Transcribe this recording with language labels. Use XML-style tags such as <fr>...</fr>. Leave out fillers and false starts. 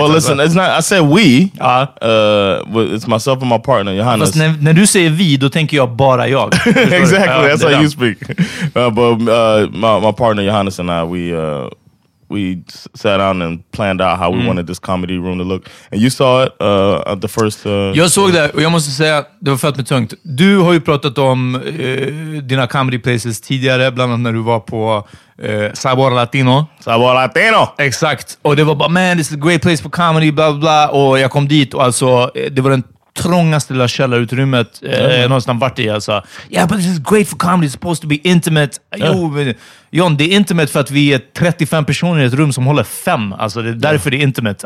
<en>Well, listen, it's not, I said we. It's myself and my partner, Johannes.</en> <sv>Fast när du säger vi, då tänker jag bara jag.</sv> <en>Exactly, that's how you speak. But my partner Johannes and I, we sat down and planned out how we wanted this comedy room to look. And you saw it at the first...</en> <sv>Jag såg det, och jag måste säga att det var fett med tungt. Du har ju pratat om dina comedy places tidigare, bland annat när du var på Sabor Latino.</sv> <es>Sabor Latino!</es> <sv>Exakt. Och det var bara,</sv> <en>man, this is a great place for comedy, bla bla bla.</en> <sv>Och jag kom dit, och alltså, det var den trångaste lilla källarutrymmet någonstans vart i. Alltså.</sv> <en>Yeah, but this is great for comedy, it's supposed to be intimate.</en> <sv>Yeah. Jo, men... John, det är intimate för att vi är 35 personer i ett rum som håller 5. Alltså, det är därför det är intimate.</sv>